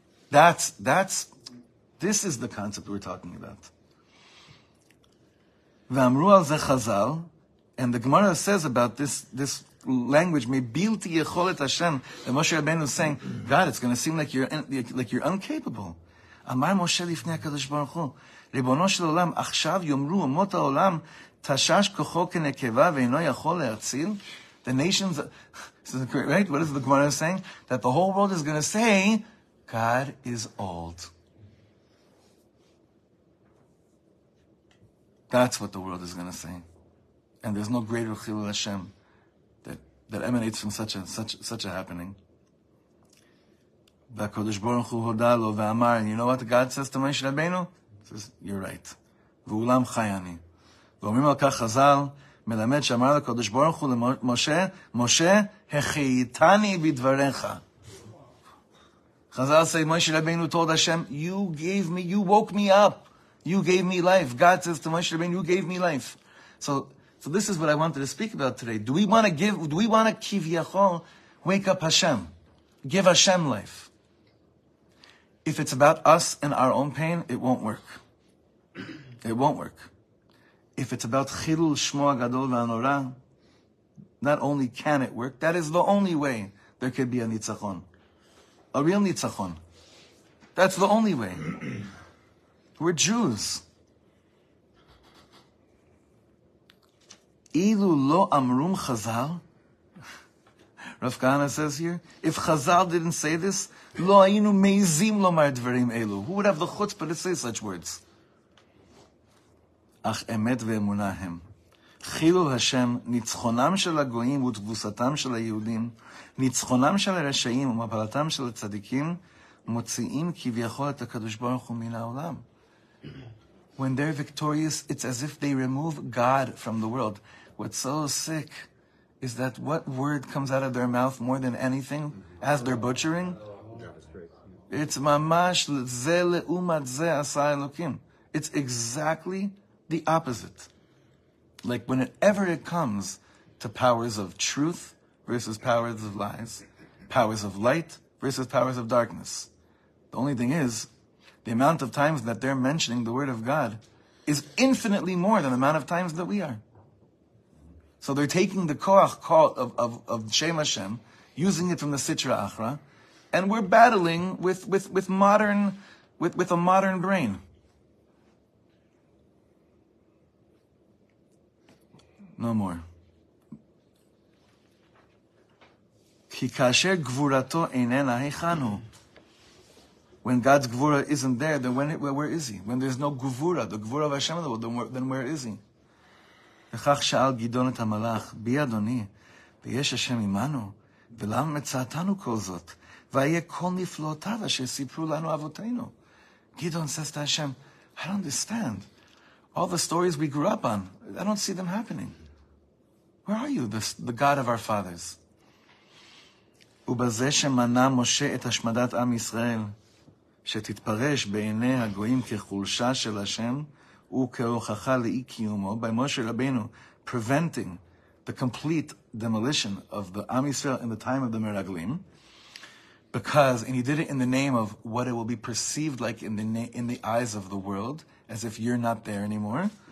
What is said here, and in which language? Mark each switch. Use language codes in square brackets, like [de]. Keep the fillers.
[en] That's, that's, this is the concept we're talking about. [he] ואמרו על זה חז"ל, [en] and the Gemara says about this, this language, מבלתי יכולת Hashem, that Moshe Rabbeinu is saying, God, it's going to seem like you're, like you're uncapable. [he] אמר משה לפני הקדוש ברוך הוא, ריבונו של עולם, עכשיו יאמרו אומות העולם, תשש כוחו כנקבה ואינו יכול להציל? [en] The nations, this is great, right? What is the Gemara saying? That the whole world is going to say, God is old. That's what the world is going to say. And there's no greater Chilul Hashem that, that emanates from such a, such, such a happening. [he] והקדוש ברוך הוא הודה לו ואמר, [en] you know what God says to משה רבנו? He says, you're right. [he] ואולם חי אני. ואומרים על כך חז"ל, מלמד שאמר לקדוש ברוך הוא למשה, משה, החייתני בדבריך. [en] Chazal say Moshe Rabbeinu told Hashem, "You gave me, you woke me up, you gave me life." God says to Moshe Rabbeinu, "You gave me life." So, so this is what I wanted to speak about today. Do we want to give? Do we want to kivyachol wake up Hashem, give Hashem life? If it's about us and our own pain, it won't work. It won't work. If it's about [he] chilul shmo gadol v'anorah, [en] not only can it work, that is the only way there could be a nitzachon. A real nitzachon. That's the only way. We're Jews. [he] Ilu lo amrum chazal. [en] Rav Kahana says here, if Chazal didn't say this, [he] lo ainu meizim lomar dvarim elu. [en] Who would have the chutzpah to say such words? [he] אך אמת ואמונה הם. חילול השם, ניצחונם של הגויים ותבוסתם של היהודים, ניצחונם של הרשעים ומפלתם של הצדיקים, מוציאים כביכול את הקדוש ברוך הוא מן העולם. [en] When they're victorious, it's as if they remove God from the world. What's so sick is that what word comes out of their mouth more than anything as they're butchering? That is great. [he] It's mamash ze leumat ze asa Elokim. [en] It's exactly the opposite. Like whenever it comes to powers of truth versus powers of lies, powers of light versus powers of darkness. The only thing is, the amount of times that they're mentioning the word of God is infinitely more than the amount of times that we are. So they're taking the koach call of, of, of Shem Hashem, using it from the Sitra Achra, and we're battling with, with, with modern, with, with a modern brain. No more. [he] כי כאשר גבורתו איננה, היכן הוא? [en] When God's gvura isn't there, then when, where, where is he? When there's no gvura, the gvura of Hashem in the world, then where, then where is he? [he] וכך שאל גדעון את המלאך, בי אדוני, ויש השם עמנו, ולמה מצאתנו כל זאת? ואהיה כל נפלאותיו אשר סיפרו לנו אבותינו. [en] Gideon says to Hashem, I don't understand. All the stories we grew up on, I don't see them happening. Where are you, the, the God of our fathers? [he] ובזה שמנע משה את השמדת עם ישראל, שתתפרש בעיני הגויים כחולשה של השם, וכהוכחה לאי קיומו, [en] by Moshe Rabbeinu, preventing the complete demolition of the Am Yisrael in the time of the Meraglim, because, and he did it in the name of what it will be perceived like in the, na- in the eyes of the world, as if you're not there anymore.